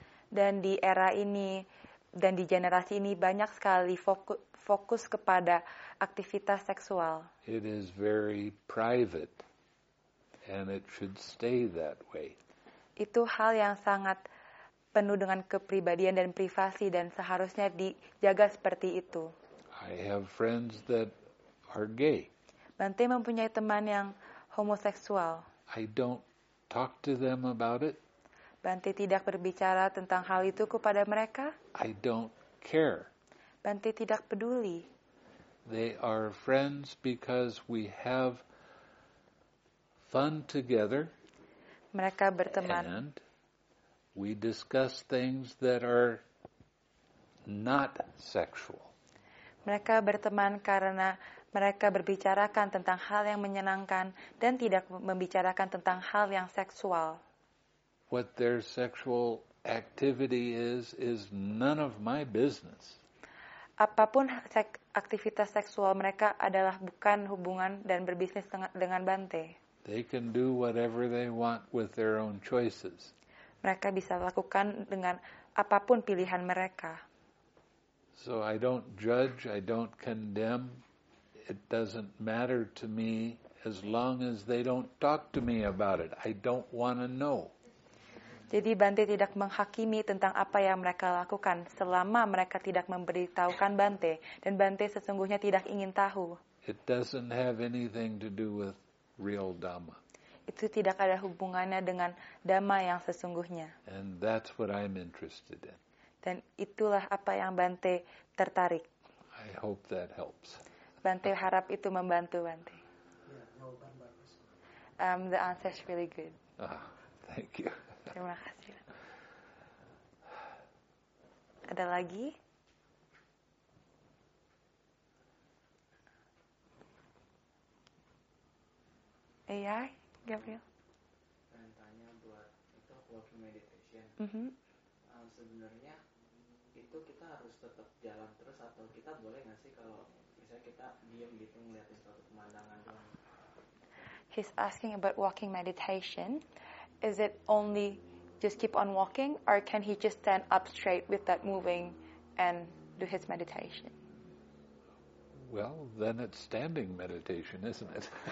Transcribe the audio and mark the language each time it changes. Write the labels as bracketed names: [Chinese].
[Indonesian] Dan di era ini dan di generasi ini banyak sekali fokus kepada aktivitas seksual. [English] It is very private. And it should stay that way. [Indonesian] Itu hal yang sangat penuh dengan kepribadian dan privasi dan seharusnya dijaga seperti itu. [English] I have friends that are gay. [Indonesian] Bante mempunyai teman yang homoseksual. [English] I don't talk to them about it. [Indonesian] Bante tidak berbicara tentang hal itu kepada mereka. [English] I don't care. [Indonesian] Bante tidak peduli. [English] They are friends because we have fun together. [Indonesian] Mereka berteman. [English] And we discuss things that are not sexual. [Indonesian] Mereka berteman karena mereka berbicarakan tentang hal yang menyenangkan dan tidak membicarakan tentang hal yang seksual. [English] What their sexual activity is none of my business. [Indonesian] Apapun aktivitas seksual mereka adalah bukan hubungan dan berbisnis dengan Bante. [English] They can do whatever they want with their own choices. [Indonesian] Mereka bisa lakukan dengan apapun pilihan mereka. [English] So I don't judge, I don't condemn. It doesn't matter to me as long as they don't talk to me about it. I don't want to know. [Indonesian] Jadi Bante tidak menghakimi tentang apa yang mereka lakukan selama mereka tidak memberitahukan Bante dan Bante sesungguhnya tidak ingin tahu. [English] It doesn't have anything to do with real dhamma. [Indonesian] Itu tidak ada hubungannya dengan dhamma yang sesungguhnya. [English] And that's what I'm interested in. [Indonesian] Dan itulah apa yang Bante tertarik. [English] I hope that helps. [Indonesian] Bante harap itu membantu Bante. Yeah, jawaban bagus. [English] The answer is really good. Ah, thank you. [Indonesian] Terima kasih. Ada lagi? Iya, Gabriel. Pengen tanya buat itu [English] walking meditation. Mm-hmm. [Indonesian] Sebenarnya itu kita harus tetap jalan terus atau kita boleh nggak sih kalau misalnya kita diem gitu ngeliatin suatu pemandangan doang? [English] He's asking about walking meditation. Is it only just keep on walking, or can he just stand up straight without moving and do his meditation? Well, then it's standing meditation, isn't it?